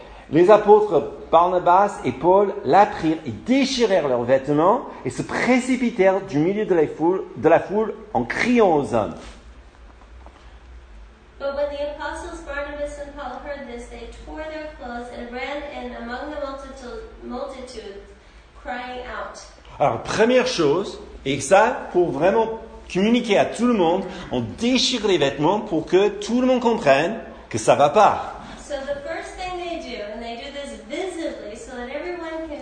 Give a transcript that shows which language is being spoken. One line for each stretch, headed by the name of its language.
French: Les apôtres Barnabas et Paul l'apprirent et déchirèrent leurs vêtements et se précipitèrent du milieu de la foule en criant aux hommes.
English: But when the apostles Barnabas and Paul heard this, they tore their clothes and ran in among the multitude, crying out.
French: Alors, première chose, et ça, pour vraiment communiquer à tout le monde, on déchire les vêtements pour que tout le monde comprenne que ça ne va pas.
English: So the first thing they do, and they do this visibly, so that everyone